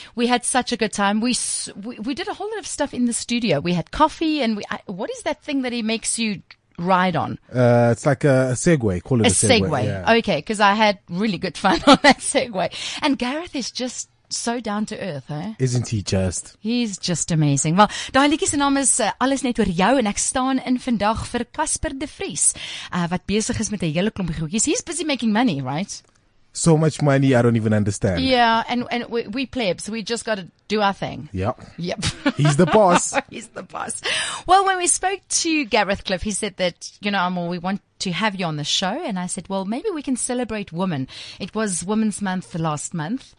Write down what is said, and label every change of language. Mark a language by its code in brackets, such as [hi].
[en] We had such a good time. We did a whole lot of stuff in the studio. We had coffee and what is that thing that he makes you ride on? It's like a Segway. Call it a Segway. Yeah. Okay, because I had really good fun on that Segway. And Gareth is just so down to earth, eh? Isn't he just? He's just amazing. [af] Well, daai liedjie se naam is Alles net oor jou en ek staan in vandag vir Casper De Vries, wat besig is met 'n hele klompie goedjies. [en] He's busy making money, right? So much money, I don't even understand. Yeah, and we plebs, so we just got to do our thing. Yep. He's the boss. He's the boss. Well, when we spoke to Gareth Cliff, he said that, you know, Amor, we want to have you on the show. And I said, well, maybe we can celebrate women. It was Women's Month last month.